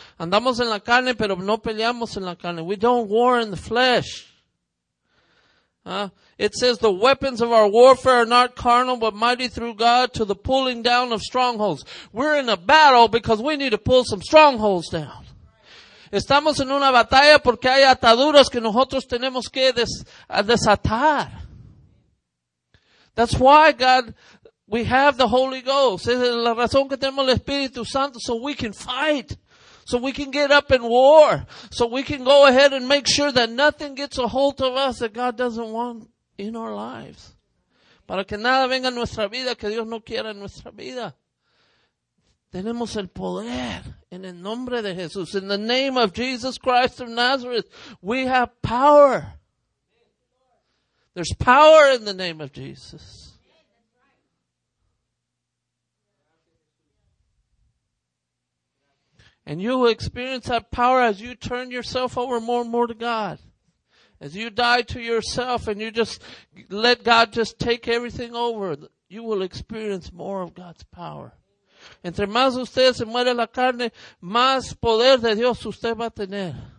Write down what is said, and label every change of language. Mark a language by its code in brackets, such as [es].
[es] Andamos en la carne, pero no peleamos en la carne. [en] We don't war in the flesh. It says the weapons of our warfare are not carnal, but mighty through God to the pulling down of strongholds. We're in a battle because we need to pull some strongholds down. [es] Estamos en una batalla porque hay ataduras que nosotros tenemos que desatar. [en] That's why God... We have the Holy Ghost. [es] Es la razón que tenemos el Espíritu Santo, [en] so we can fight. So we can get up in war. So we can go ahead and make sure that nothing gets a hold of us that God doesn't want in our lives. [es] Para que nada venga en nuestra vida, que Dios no quiera en nuestra vida. Tenemos el poder en el nombre de Jesús. [en] In the name of Jesus Christ of Nazareth, we have power. There's power in the name of Jesus. And you will experience that power as you turn yourself over more and more to God. As you die to yourself and you just let God just take everything over, you will experience more of God's power. [es] Entre más usted se muere la carne, más poder de Dios usted va a tener.